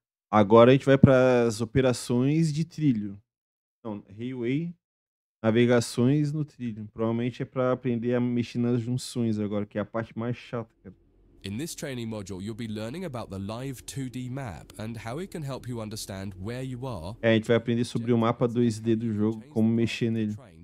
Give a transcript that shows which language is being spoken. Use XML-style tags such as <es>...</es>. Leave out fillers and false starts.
<pt>Agora a gente vai para as operações de trilho. Então, railway. Navegações no trilho. Provavelmente é para aprender a mexer nas junções agora, que é a parte mais chata, cara.</pt> <en>In this training module, you'll be learning about the live 2D map and how it can help you understand where you are.</en> <pt>A gente vai aprender sobre o mapa 2D do jogo, como mexer nele.</pt>